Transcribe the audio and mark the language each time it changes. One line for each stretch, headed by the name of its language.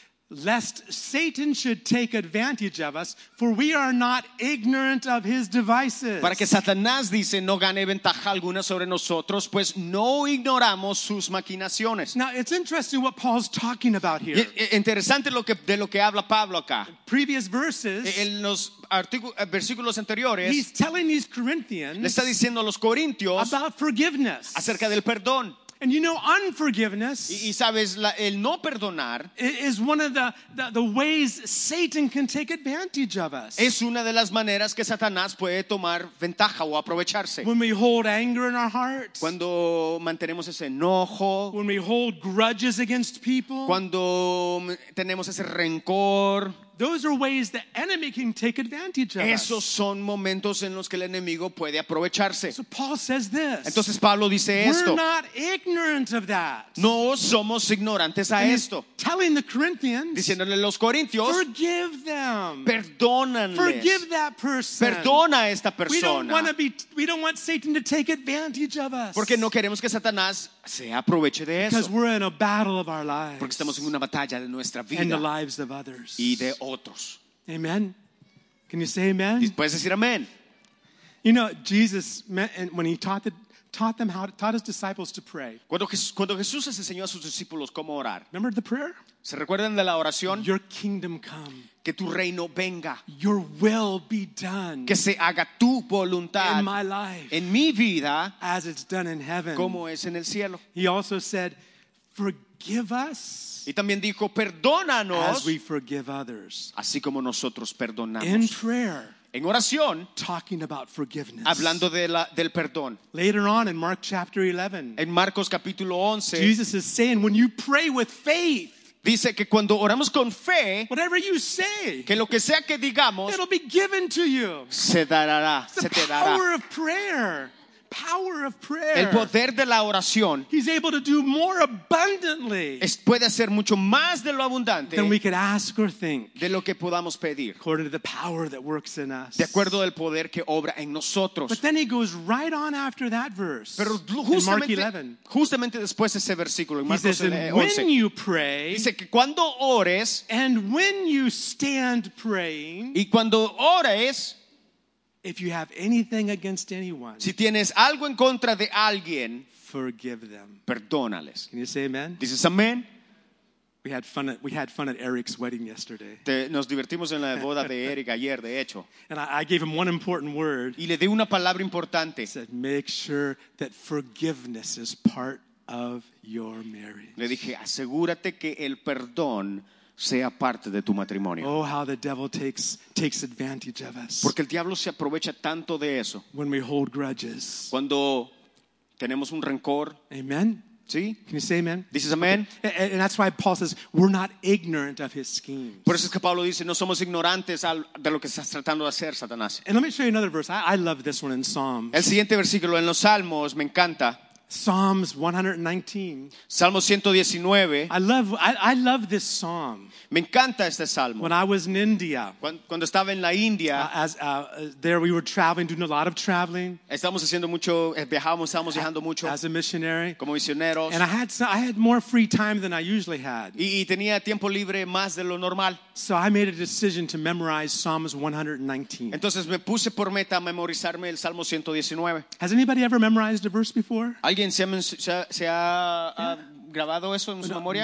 English: Lest Satan should take advantage of us, for we are not ignorant of his devices.
Spanish: Para que Satanás, dice, no gane ventaja alguna sobre nosotros, pues no ignoramos sus maquinaciones.
English: Now, it's interesting what Paul's talking about here.
Spanish: Interesante lo que habla Pablo acá.
English: Previous verses,
Spanish: en los versículos anteriores,
English: he's telling these Corinthians,
Spanish: le está diciendo a los Corintios,
English: about forgiveness.
Spanish: Acerca del perdón.
English: And you know, unforgiveness
Spanish: y sabes, el no perdonar
English: is one of the ways Satan can take advantage of us.
Spanish: Es una de las maneras que Satanás puede tomar ventaja o aprovecharse.
English: When we hold anger in our hearts.
Spanish: Cuando mantenemos ese enojo.
English: When we hold grudges against people.
Spanish: Cuando tenemos ese rencor.
English: Those are ways the enemy can take advantage of us.
Spanish: Esos son momentos en los que el enemigo puede aprovecharse.
English: So Paul says this.
Spanish: Entonces Pablo dice esto.
English: We're not ignorant of that.
Spanish: No somos ignorantes a esto.
English: Telling the Corinthians.
Spanish: Diciéndole a los corintios.
English: Forgive them.
Spanish: Perdónanles.
English: Forgive that person.
Spanish: Perdona a esta persona.
English: We don't want Satan to take advantage of us.
Spanish: Porque no queremos que Satanás se aproveche de eso.
English: Because we're in a battle of our lives.
Spanish: Porque estamos en una batalla de nuestra vida.
English: And the lives of others.
Spanish: Y de otros.
English: Amen. Can you say amen?
Spanish: ¿Puedes decir amen?
English: You know, Jesus met, and when he taught his disciples to pray.
Spanish: Cuando Jesús les enseñó a sus discípulos cómo orar.
English: Remember the prayer?
Spanish: ¿Se recuerdan de la oración?
English: Your kingdom come.
Spanish: Que tu reino venga.
English: Your will be done.
Spanish: Que se haga tu voluntad.
English: In my life.
Spanish: En mi vida.
English: As it's done in heaven.
Spanish: Como es en el cielo.
English: He also said, forgive us.
Spanish: Y también dijo, perdónanos.
English: As we forgive others.
Spanish: Así como nosotros perdonamos.
English: In prayer.
Spanish: En oración,
English: talking about forgiveness.
Spanish: Hablando del perdón.
English: Later on in Mark chapter 11.
Spanish: En Marcos capítulo 11.
English: Jesus is saying, when you pray with faith.
Spanish: Dice que cuando oramos con fe,
English: whatever you say,
Spanish: que lo que sea que digamos,
English: it'll be given to you.
Spanish: Se dará, se te dará.
English: The power of prayer. Power of prayer.
Spanish: El poder de la oración.
English: He's able to do more abundantly.
Spanish: Puede hacer mucho más de lo abundante.
English: Than we could ask or think.
Spanish: De lo que podamos pedir.
English: According to the power that works in us.
Spanish: De acuerdo al poder que obra en nosotros.
English: But then he goes right on after that verse.
Spanish: Pero justamente,
English: in Mark 11.
Spanish: Justamente después de ese versículo. En Marcos 11.
English: When you pray.
Spanish: Dice que cuando ores.
English: And when you stand praying.
Spanish: Y cuando ores.
English: If you have anything against anyone,
Spanish: si tienes algo en contra de alguien,
English: forgive them.
Spanish: Perdónales.
English: Can you say amen?
Spanish: Dices amén.
English: We had fun at Eric's wedding yesterday.
Spanish: Nos divertimos en la boda de Eric ayer, de hecho.
English: And I gave him one important word.
Spanish: Y le di una palabra importante.
English: I said, make sure that forgiveness is part of your marriage.
Spanish: Le dije, asegúrate que el perdón sea parte de tu matrimonio.
English: Oh, how the devil takes advantage of us.
Spanish: Porque el diablo se aprovecha tanto de eso.
English: When we hold grudges.
Spanish: Cuando tenemos un rencor.
English: Amen.
Spanish: ¿Sí?
English: Can you say amen?
Spanish: Dices amen.
English: And that's why Paul says we're not ignorant of his schemes.
Spanish: Por eso es que Pablo dice no somos ignorantes de lo que estás tratando de hacer, Satanás.
English: And let me show you another verse. I love this one in Psalms.
Spanish: El siguiente versículo en los Salmos me encanta.
English: Psalms 119.
Spanish: Salmo 119.
English: I love this psalm.
Spanish: Me encanta este salmo.
English: When I was in India.
Spanish: Cuando estaba en la India.
English: There we were traveling, doing a lot of traveling.
Spanish: Estábamos haciendo mucho, viajábamos, estábamos viajando mucho.
English: As a missionary.
Spanish: Como misioneros.
English: And I had more free time than I usually had.
Spanish: Y tenía tiempo libre más de lo normal.
English: So I made a decision to memorize Psalms 119.
Spanish: Entonces me puse por meta memorizarme el Salmo 119.
English: Has anybody ever memorized a verse before?
Spanish: ¿Alguien se ha grabado eso en su memoria?